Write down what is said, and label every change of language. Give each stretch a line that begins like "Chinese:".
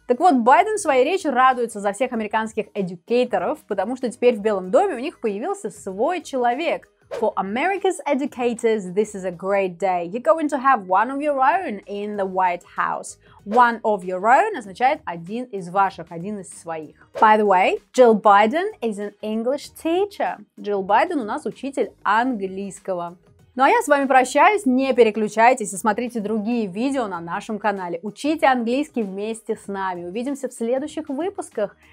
Russian: Так вот, Байден в своей речи радуется за всех американских эдюкейторов, потому что теперь в Белом доме у них появился свой человек.
English: For America's educators, this is a great day. You're going to have one of your own in the White House. One of your own
Russian: означает один из ваших, один из своих.
English: By the way, Jill Biden is an English teacher.
Russian: Jill Biden у нас учитель английского. Ну а я с вами прощаюсь, не переключайтесь и смотрите другие видео на нашем канале. Учите английский вместе с нами. Увидимся в следующих выпусках.